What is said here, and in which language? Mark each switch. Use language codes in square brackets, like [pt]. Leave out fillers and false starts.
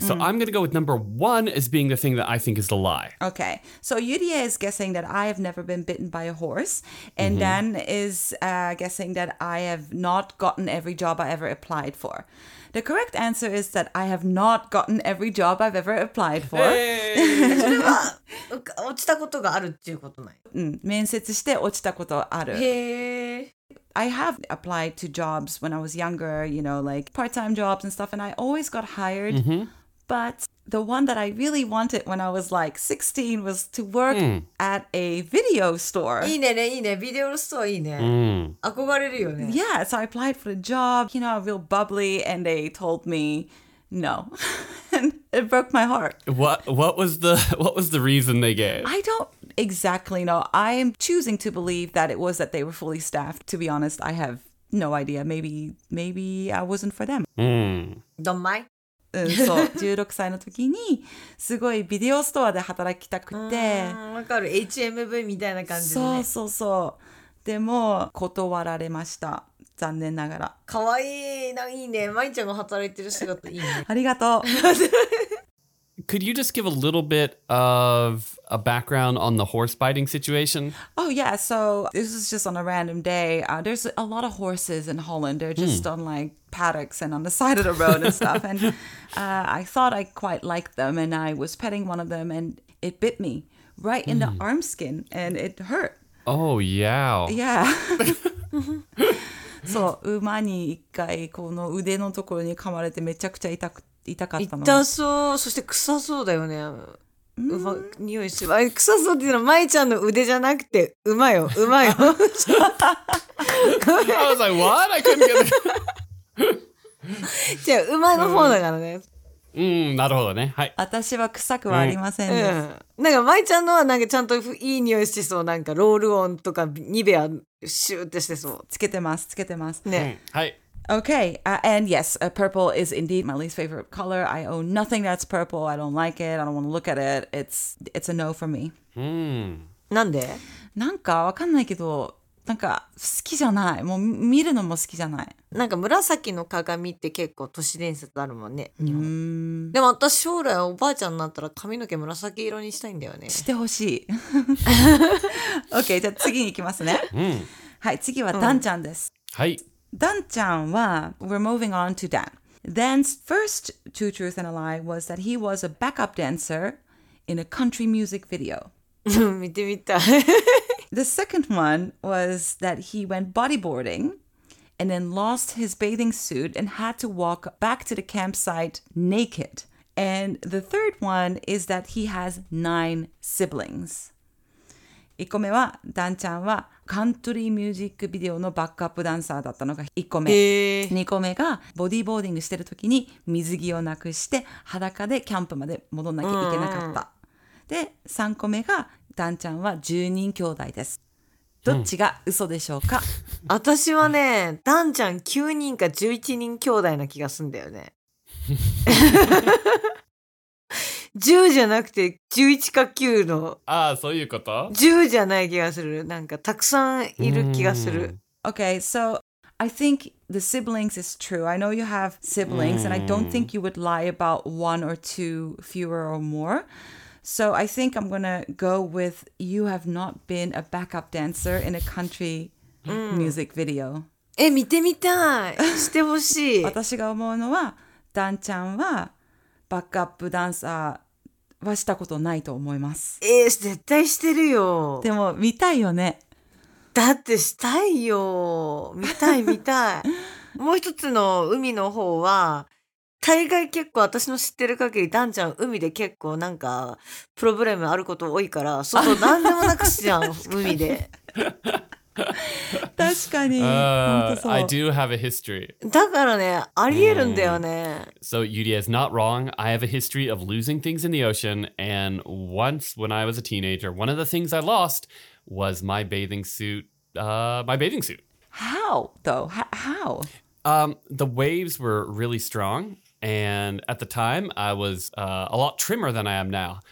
[en] So mm-hmm. I'm going to go with number one as being the thing that I think is the lie. Okay, so Yuria is guessing that I have never been bitten by a horse, and mm-hmm. Dan is guessing that I have not gotten every job I ever applied for. The correct answer is that I have not gotten every job I've ever applied for. Hey! [ja] それは、落ちたことがあるっていうことない。うん、面接して落ちたことある。へぇ。 [en] I have applied to jobs when I was younger, you know, like part-time jobs and stuff, and I always got hired. Mm-hmm. But the one that I really wanted when I was like 16 was to work、mm. at a video store. [ja] いいねね、いいね。ビデオストアいいね。 Mm. 憧れるよね。 [en] Yeah, so I applied for a job, you know, real bubbly, and they told me no. And it broke my heart. What was the reason they gave? I don't exactly know. I'm choosing to believe that it was that they were fully staffed. To be honest, I have no idea. Maybe I wasn't for them. Don't mind. [ja] そう16歳の時にすごいビデオストアで働きたくて。わかる。HMV みたいな感じで、ね。そうそうそう。でも断られました。残念ながら。かわいい。いいね。舞ちゃんが働いてる仕事いいね。ありがとう。 [en] Could you just give a little bit of a background on the horse biting situation? Oh, yeah. So this is just on a random day. There's a lot of horses in Holland. They're just on like paddocks and on the side of the road and stuff. And I thought I quite liked them. And I was petting one of them and it bit me right in the arm skin and it hurt. Oh, yeah. Yeah. [ja] そう、馬に一回この腕のところに噛まれてめちゃくちゃ痛かったの。痛そう。そして臭そうだよね。馬、匂いする。あれ、臭そうっていうのは、舞ちゃんの腕じゃなくて、馬よ、馬よ。 [en] I was like, what? I couldn't get it. [ja] じゃあ、馬の方だからね。なるほどね。はい。私は臭くはありませんね。なんか、舞ちゃんのは、なんかちゃんといい匂いしてそう。なんか、ロールオンとか、ニベア、シューってしてそう。つけてます、つけてます。ね。はい。 [en] Okay, and yes, purple is indeed my least favorite color. I own nothing that's purple. I don't like it. I don't want to look at it. It's a no for me. [ja] なんで？なんかわかんないけど、なんか好きじゃない。もう見るのも好きじゃない。なんか紫の鏡って結構都市伝説あるもんね。でも私将来おばあちゃんになったら髪の毛紫色にしたいんだよね。してほしい。 OK、じゃあ次に行きますね。はい、次はダンちゃんです。はい。 [en] ダンちゃんは、We're moving on to Dan. Dan's first two truths and a lie was that he was a backup dancer in a country music video. [ja] 見てみたい。 [en] The second one was that he went bodyboarding and then lost his bathing suit and had to walk back to the campsite naked. And the third one is that he has 9 siblings. [ja] 1個目は、ダンちゃんはカントリーミュージックビデオのバックアップダンサーだったのが1個目。 2個目がボディーボーディングしてる時に水着をなくして裸でキャンプまで戻んなきゃいけなかった。で、3個目がダンちゃんは10人兄弟です。どっちが嘘でしょうか、うん、私はね、ダンちゃん9人か11人兄弟な気がするんだよね。 10じゃなくて11か9の。ああ、そういうこと ?10 じゃない気がする。なんかたくさんいる気がする。 [en] Okay, so I think the siblings is true. I know you have siblings and I don't think you would lie about one or two fewer or more. So I think I'm gonna go with you have not been a backup dancer in a country music video. [ja] え、見てみたい。してほしい。私が思うのは、ダンちゃんはバックアップダンサーはしたことないと思います。絶対してるよ。でも見たいよね。だってしたいよ。見たい見たい。もう一つの海の方は、大概結構私の知ってる限りダンちゃん海で結構なんかプロブレムあること多いから、そう、何でもなくすじゃん海で。確かに。 [en] I do have a history. [ja] だからね、ありえるんだよね。 [en] So Yudia is not wrong. I have a history of losing things in the ocean. And once when I was a teenager, one of the things I lost was my bathing suit. How though? How? The waves were really strong, and at the time, I was a lot trimmer than I am now.